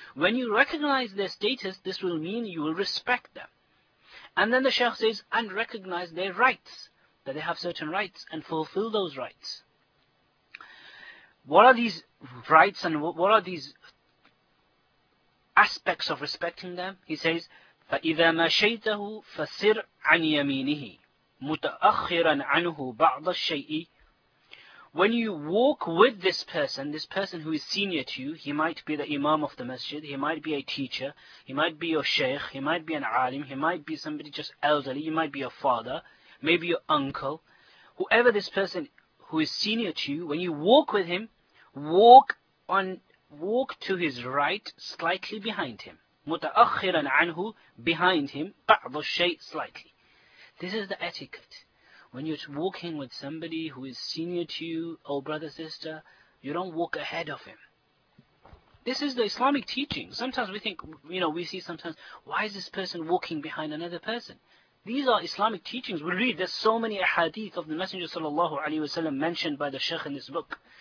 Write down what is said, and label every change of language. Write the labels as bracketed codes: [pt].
[en] When you recognize their status, this will mean you will respect them. And then the Shaykh says, and recognize their rights, that they have certain rights, and fulfill those rights. What are these rights and what are these aspects of respecting them? He says, [ar] فَإِذَا مَشَيْتَهُ فَسِرْ عَنْ يَمِينِهِ مُتَأَخِّرًا عَنْهُ بَعْضَ الشَّيْءِ. [en] When you walk with this person who is senior to you, he might be the imam of the masjid, he might be a teacher, he might be your sheikh, he might be an alim, he might be somebody just elderly, he might be your father, maybe your uncle. Whoever this person who is senior to you, when you walk with him, walk to his right, slightly behind him. [ar] مُتَأَخِّرًا عَنْهُ, [en] behind him, [ar] بَعْضُ الشَّيْءٍ, [en] slightly. This is the etiquette. When you're walking with somebody who is senior to you, old brother, sister, you don't walk ahead of him. This is the Islamic teaching. Sometimes we think, you know, we see sometimes, why is this person walking behind another person? These are Islamic teachings. We read, there's so many ahadith of the Messenger sallallahu alaihi wasallam mentioned by the Shaykh in this book.